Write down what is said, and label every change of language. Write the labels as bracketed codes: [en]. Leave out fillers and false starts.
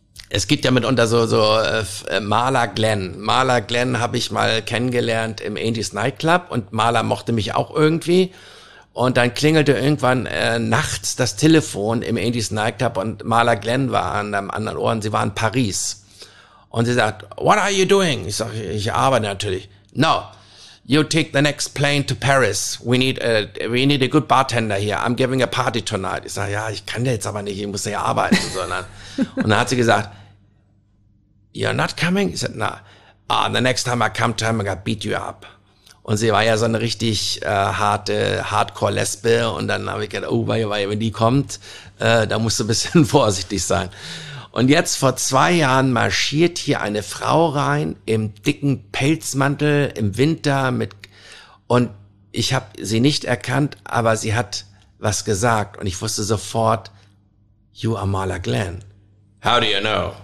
[de] Es gibt ja mitunter so Marler Glenn. Marler Glenn habe ich mal kennengelernt im Angie's Nightclub und Marler mochte mich auch irgendwie. Und dann klingelte irgendwann nachts das Telefon im Angie's Nightclub und Marler Glenn war an einem anderen Ohr und sie war in Paris. Und sie sagt, [en] what are you doing? [de] Ich sage, ich arbeite natürlich. [en] No, you take the next plane to Paris. We need a good bartender here. I'm giving a party tonight. [de] Ich sage, ja, ich kann ja jetzt aber nicht, ich muss ja arbeiten. Sondern. Und dann hat sie gesagt, [en] you're not coming? [de] Ich sage, [en] no, the next time I come to him, I'm gonna beat you up. [de] Und sie war ja so eine richtig harte Hardcore-Lesbe. Und dann habe ich gedacht, oh, weil wenn die kommt, da musst du ein bisschen vorsichtig sein. Und jetzt vor 2 Jahren marschiert hier eine Frau rein im dicken Pelzmantel im Winter mit und ich habe sie nicht erkannt, aber sie hat was gesagt und ich wusste sofort, [en] you are Marla Glenn. How do you know?